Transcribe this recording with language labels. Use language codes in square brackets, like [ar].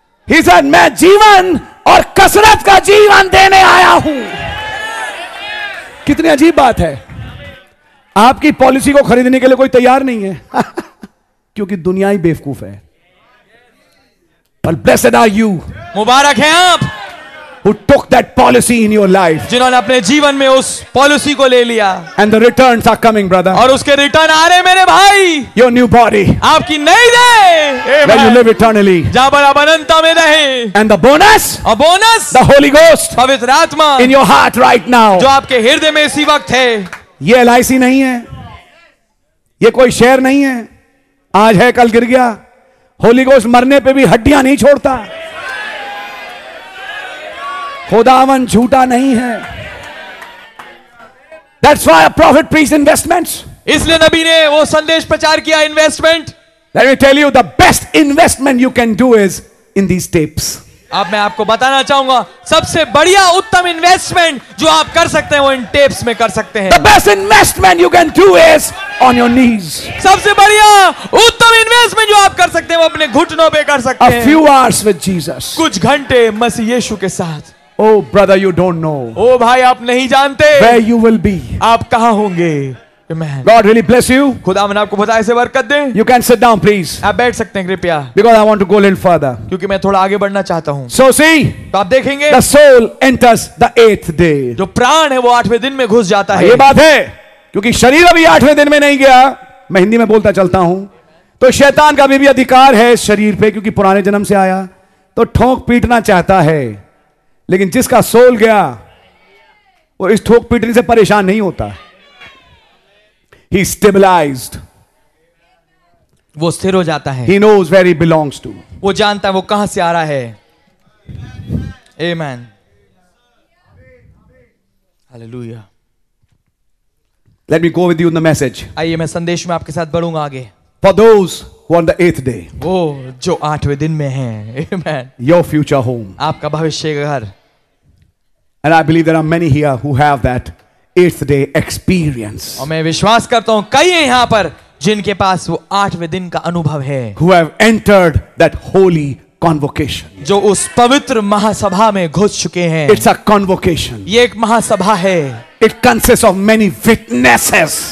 [en] he said, [hi] मैं जीवन और कसरत का जीवन देने आया हूं. कितनी अजीब बात है. आपकी पॉलिसी को खरीदने के लिए कोई तैयार नहीं है. क्योंकि दुनिया ही बेवकूफ है. [en] But blessed are you. [hi] मुबारक हैं आप. [en] Who took that policy in your life. [hi] जिन्होंने अपने जीवन में उस पॉलिसी को ले लिया. [en] And the returns are coming, brother. [hi] और उसके रिटर्न आ रहे मेरे भाई. [en] Your new body. [hi] आपकी नई देह. [en] Where you live eternally. [hi] जहां पर आप अनंत में रहे. [en] And the bonus. [hi] और बोनस. [en] The Holy Ghost. [hi] पवित्र आत्मा. [en] In your heart right now. [hi] जो आपके हृदय में इसी वक्त है. ये LIC नहीं है. ये कोई शेयर नहीं है. आज है कल गिर गया. होली गोस्ट मरने पे भी हड्डियां नहीं छोड़ता. खुदावन झूठा नहीं है. [en] That's why a prophet preached investments. [hi] इसलिए नबी ने वो संदेश प्रचार किया investment. [en] Let me tell you the best investment you can do is in these tapes. [hi] अब मैं आपको बताना चाहूंगा सबसे बढ़िया उत्तम इन्वेस्टमेंट जो आप कर सकते हैं वो इन टेप्स में कर सकते हैं. [en] The best investment you can do is on your knees. [hi] सबसे बढ़िया उत्तम इन्वेस्टमेंट जो आप कर सकते हैं वो अपने घुटनों पे कर सकते हैं. [en] A few hours with Jesus. [hi] कुछ घंटे मसीह यीशु के साथ. [en] Oh brother, you don't know. [hi] Oh bhai, aap nahi jante. [en] Where you will be? [hi] Aap kahan honge? [en] God really bless you. [hi] खुदा मैंने आपको बताया से बरकत दे. [en] You can sit down, please. [hi] आप बैठ सकते हैं कृपया. [en] Because I want to go a little further. [hi] क्योंकि मैं थोड़ा आगे बढ़ना चाहता हूँ. [en] So see. [hi] तो आप देखेंगे. [en] The soul enters the eighth day. [hi] जो प्राण है वो आठवें दिन में घुस जाता है. ये बात है. क्योंकि शरीर अभी आठवें दिन में नहीं गया. मैं हिंदी में बोलता चलता हूँ. तो शैतान का भी अधिकार है शरीर पे, क्योंकि पुराने जन्म से आया. तो ठोंक पीटना चाहता है. लेकिन जिसका सोल गया वो इस ठोंक पीटने से परेशान नहीं होता. [en] He stabilized. [hi] वो स्थिर हो जाता है. [en] He knows where he belongs to. [hi] वो जानता है वो कहां से आ रहा है. [en] Amen. Hallelujah. Let me go with you in the message. [hi] आइए मैं संदेश में आपके साथ बढ़ूंगा आगे. [en] For those who are on the eighth day. [hi] वो जो आठवें दिन में हैं. Amen. [en] Your future home. [hi] आपका भविष्य घर. [en] And I believe there are many here who have that. Eighth day experience. [hi] और मैं विश्वास करता हूँ कई हैं यहाँ पर जिनके पास वो आठवें दिन का अनुभव है. [en] Who have entered that holy convocation. [hi] जो उस पवित्र महासभा में घुस चुके हैं. [en] It's a convocation. [hi] ये एक महासभा है. [en] It consists of many witnesses.